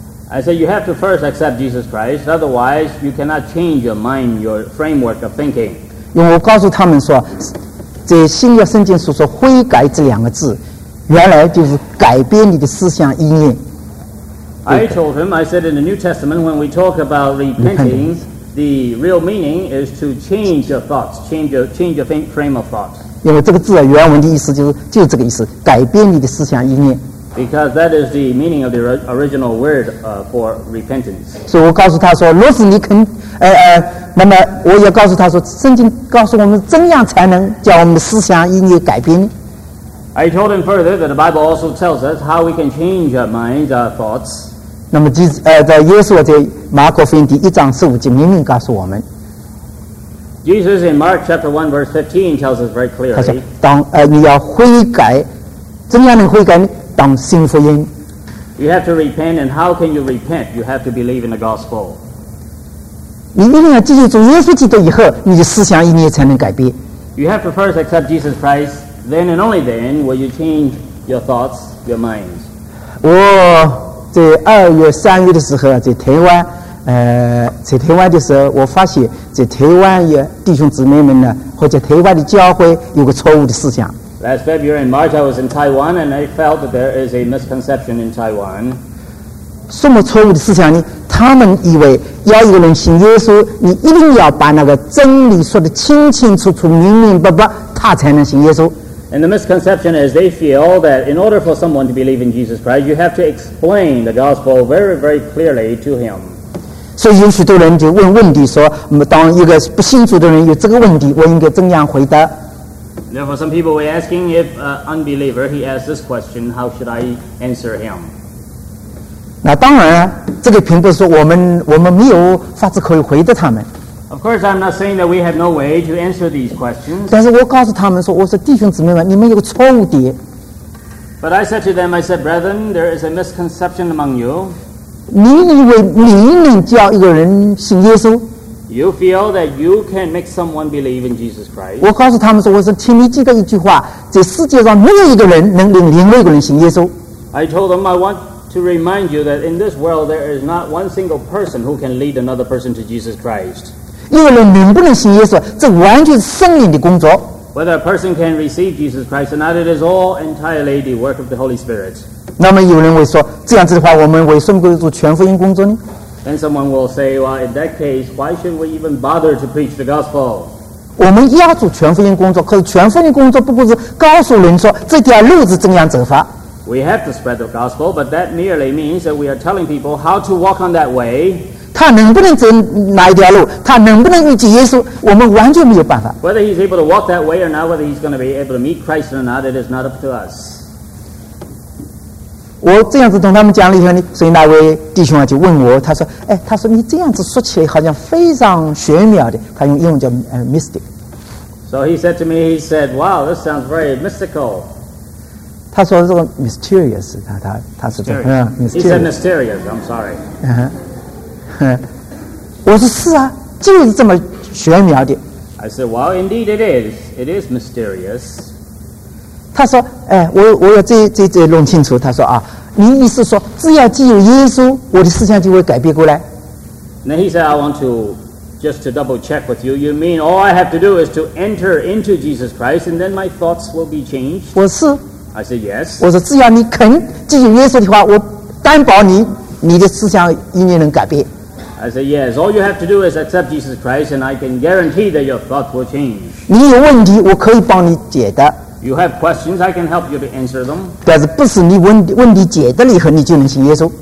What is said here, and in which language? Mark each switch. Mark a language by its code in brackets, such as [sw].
[en] I said, you have to first accept Jesus Christ, otherwise you cannot change your mind, your framework of thinking. [zh] 因为我告诉他们说，在新约圣经所说悔改这两个字，原来就是改变你的思想意念。 [en] I told him, I said in the New Testament, when we talk about repenting, the real meaning is to change your thoughts, change your frame of thought. [zh] 因为这个字啊，原文的意思就这个意思，改变你的思想意念。 [en] Because that is the meaning of the original word for repentance. [zh] 所以我告诉他说，若是你肯，那么我也告诉他说，圣经告诉我们怎样才能叫我们的思想意念改变呢？ [en] I told him further that the Bible also tells us how we can change our minds, our thoughts. [zh] 那么在耶稣在马可福音第一章十五节明明告诉我们。 [en] Jesus in Mark chapter 1 verse 15 tells us very clearly. [zh] 他说当你要悔改，怎样能悔改呢？当信福音。 [en] You have to repent, and how can you repent? You have to believe in the gospel. [zh] 你一定要接受耶稣基督以后，你的思想意念才能改变。 [en] You have to first accept Jesus Christ. Then and only then will you change your thoughts, your minds. [zh] 我在二月三月的时候在台湾，在台湾的时候，我发现在台湾的弟兄姊妹们呢，或者台湾的教会有个错误的思想。 [en] Last February and March, I was in Taiwan, and I felt that there is a misconception in Taiwan. [zh] 什么错误的思想呢？他们以为要一个人信耶稣，你一定要把那个真理说得清清楚楚、明明白白。他才能信耶稣。 [en] And the misconception is they feel that in order for someone to believe in Jesus Christ, you have to explain the gospel very, very clearly to him. [zh] 所以有许多人就问问题说，当一个不信主的人有这个问题，我应该怎样回答？ [en] Therefore, some people were asking if an unbeliever, he asked this question, how should I answer him? [zh] 那当然，这个并不是说我们没有法子可以回答他们。 [en] Of course, I'm not saying that we have no way to answer these questions. [zh] 但是我告诉他们说，我说弟兄姊妹们，你们有个错误点。 [en] But I said to them, I said, brethren, there is a misconception among you. [zh] 你以为你能叫一个人信耶稣？ [en] You feel that you can make someone believe in Jesus Christ. [zh] 我告诉他们说，我说请你记得一句话，在世界上没有一个人能令另外一个人信耶稣。 [en] I told them, I want to remind you that in this world there is not one single person who can lead another person to Jesus Christ. [zh] 一个人能不能信耶稣，这完全是圣灵的工作。 [en] Whether a person can receive Jesus Christ or not, it is all entirely the work of the Holy Spirit. [zh] 那么有人会说，这样子的话，我们为什么要做全福音工作呢？ [en] Then someone will say, well, in that case, why should we even bother to preach the gospel? [zh] 我们要做全福音工作，可是全福音工作不过是告诉人说这条路是怎样走法。 [en] We have to spread the gospel, but that merely means that we are telling people how to walk on that way. [zh] 他能不能走哪一条路，他能不能遇见耶稣，我们完全没有办法。 [en] Whether he's able to walk that way or not, whether he's going to be able to meet Christ or not, it is not up to us. [zh] 我这样子跟他们讲了以后呢，所以那位弟兄啊就问我，他说，他说你这样子说起来好像非常玄妙的，他用英文叫mystic. [en] So he said to me, he said, wow, this sounds very mystical. [zh] 他说这个 mysterious, 他说这个 [en] mysterious. He said mysterious, I'm sorry. [zh] 我说是啊，就是这么玄妙的。 [en] I said, well, indeed it is. It is mysterious. [zh] 他说，我要再弄清楚。他说啊，你意思说，只要既有耶稣，我的思想就会改变过来。 [en] Then he said, I want to just to double check with you. You mean all I have to do is to enter into Jesus Christ, and then my thoughts will be changed? [zh] 我是。 [en] I said yes. [zh] 我说只要你肯既有耶稣的话，我担保你的思想意念能改变。 [en] I said, yes, all you have to do is accept Jesus Christ, and I can guarantee that your thoughts will change. [zh] 你有问题，我可以帮你解答。 [en] You have questions, I can help you to answer them. [zh] 但是不是你问题解得了以后你就能信耶稣。